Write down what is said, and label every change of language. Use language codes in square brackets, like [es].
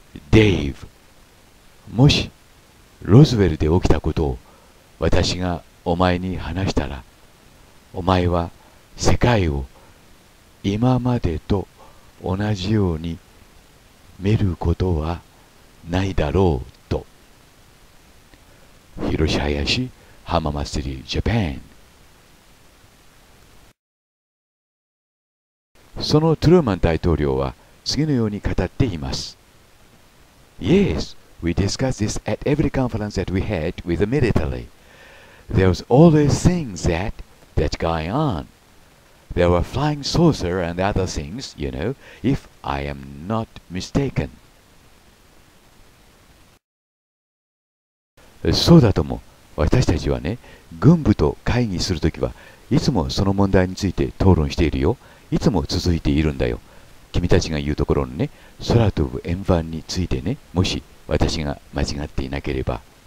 [ja] デイブ、もしロズウェルで起きたことを私がお前に話したら、お前は世界を今までと同じように見ることはないだろうと。広瀬林、浜松リージャパン。そのトゥルーマン大統領は次のように語っています。 [en] Yes, we discussed this at every conference that we had with the military. There was always things thatThat's going on. There were flying saucer and other things, you know, if I am not mistaken. [ja] そうだとも、私たちはね、軍部と会議するときはいつもその問題について討論しているよ。いつも続いているんだよ。君たちが言うところのね、空飛ぶ円盤についてね、もし私が間違っていなければ。